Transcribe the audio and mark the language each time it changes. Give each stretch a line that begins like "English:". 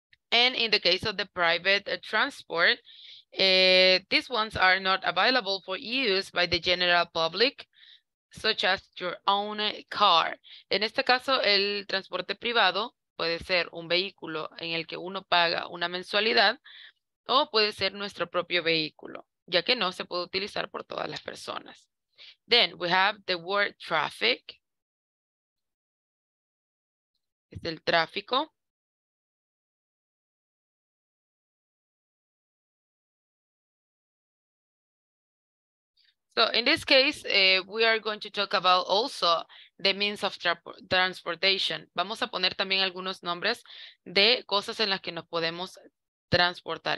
English: And in the case of the private transport, these ones are not available for use by the general public, such as your own car.
Spanish: En este caso, el transporte privado puede ser un vehículo en el que uno paga una mensualidad o puede ser nuestro propio vehículo, ya que no se puede utilizar por todas las personas.
English: Then we have the word traffic.
Spanish: Es el tráfico.
English: So in this case, we are going to talk about also the means of transportation.
Spanish: Vamos a poner también algunos nombres de cosas en las que nos podemos transportar.